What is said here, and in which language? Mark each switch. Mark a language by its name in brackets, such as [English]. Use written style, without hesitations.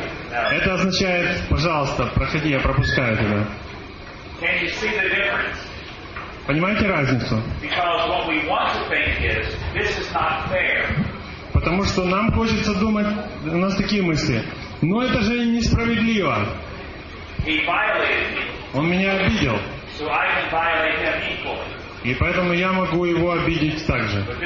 [Russian] Это означает, пожалуйста, проходи, я пропускаю тебя. [English] Can you see the difference? [Russian] Понимаете разницу? [English] Because what we want to think is, this is not fair. [Russian] Потому что нам хочется думать, у нас такие мысли. Но это же несправедливо. [English] He violated me. [Russian] Он меня обидел. [English] So I can violate him equally. [Russian] И поэтому я могу его обидеть также.